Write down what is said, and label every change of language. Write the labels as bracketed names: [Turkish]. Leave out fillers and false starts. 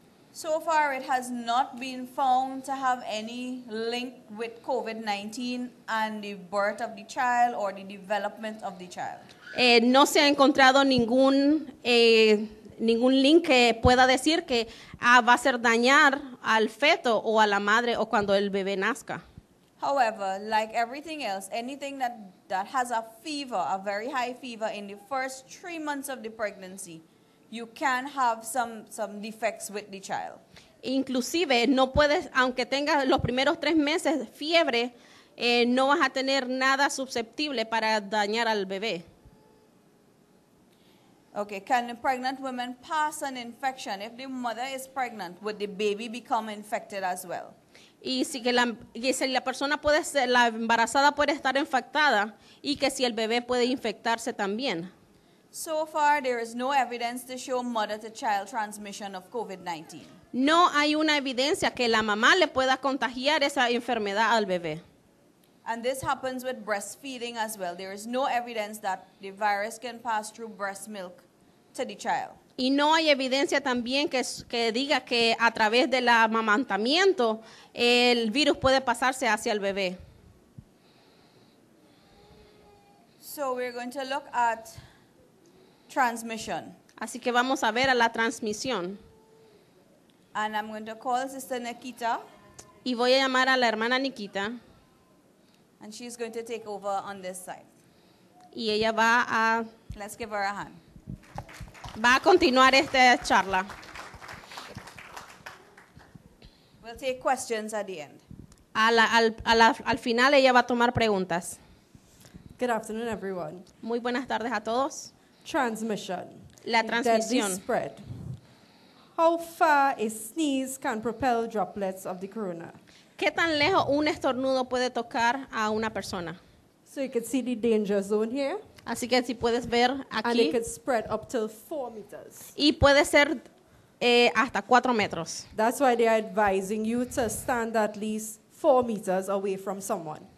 [English] So far, it has not been found to have any link with COVID-19 and the birth of the child or the development of the child. [Spanish] No se ha encontrado ningún link que pueda decir que va a hacer dañar al feto o a la madre o cuando el bebé nazca. [English] However, like everything else, anything that has a fever, a very high fever in the first 3 months of the pregnancy, you can have some defects with the child. [Spanish] Inclusive, no puedes, aunque tengas los primeros 3 meses fiebre, no vas a tener nada susceptible para dañar al bebé. [English] Okay, can a pregnant woman pass an infection? If the mother is pregnant, would the baby become infected as well? [Spanish] Y si que la persona puede ser, la embarazada puede estar infectada y que si el bebé puede infectarse también. [English] So far, there is no evidence to show mother-to-child transmission of COVID-19. [Spanish] No hay una evidencia que la mamá le pueda contagiar esa enfermedad al bebé. [English] And this happens with breastfeeding as well. There is no evidence that the virus can pass through breast milk to the child. [Spanish] Y no hay evidencia también que diga que a través del amamantamiento el virus puede pasarse hacia el bebé. [English] So we're going to look at transmission. [Spanish] Así que vamos a ver a la transmisión. [English] And I'm going to call Sister Nikita. [Spanish] Y voy a llamar a la hermana Nikita. [English] And she's going to take over on this side. [Spanish] Y ella va a... [English] Let's give her a hand. [Spanish] Va a continuar esta charla. [English] We'll take questions at the end. [Spanish] Al final ella va a tomar preguntas. [English] Good afternoon, everyone. [Spanish] Muy buenas tardes a todos. [English] Transmission. [Spanish] La transmisión. [English] Deadly spread. How far a sneeze can propel droplets of the corona? [Spanish] ¿Qué tan lejos un estornudo puede tocar a una persona? [English] So you can see the danger zone here. [Spanish] Así que si puedes ver aquí. [English] And it can spread up till 4 meters. [Spanish] Y puede ser hasta 4 metros. [English] That's why they are advising you to stand at least 4 meters away from someone.